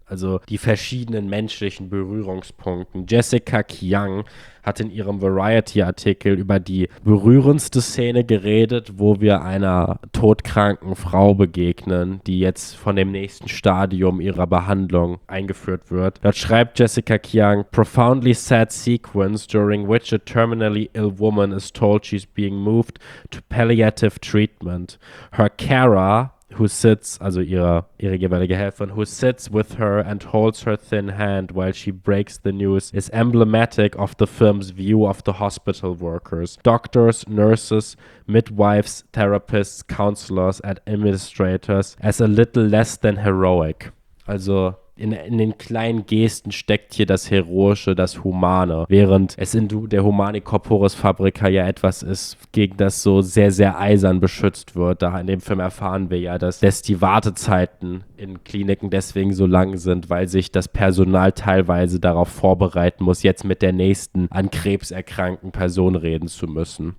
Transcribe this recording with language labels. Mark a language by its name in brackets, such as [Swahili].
[German] Also die verschiedenen menschlichen Berührungspunkte. Jessica Kiang hat in ihrem Variety-Artikel über die berührendste Szene geredet, wo wir einer todkranken Frau begegnen, die jetzt von dem nächsten Stadium ihrer Behandlung eingeführt wird. Dort schreibt Jessica Kiang, [English] "Profoundly sad sequence during which a terminally ill woman is told she's being moved to palliative treatment. Her carer, who sits, [German] also ihre jeweilige Helferin, [English] who sits with her and holds her thin hand while she breaks the news, is emblematic of the film's view of the hospital workers. Doctors, nurses, midwives, therapists, counselors and administrators as a little less than heroic." [German] Also in den kleinen Gesten steckt hier das Heroische, das Humane, während es in der Humani Corporis Fabrica ja etwas ist, gegen das so sehr, sehr eisern beschützt wird. Da in dem Film erfahren wir ja, dass die Wartezeiten in Kliniken deswegen so lang sind, weil sich das Personal teilweise darauf vorbereiten muss, jetzt mit der nächsten an Krebs erkrankten Person reden zu müssen.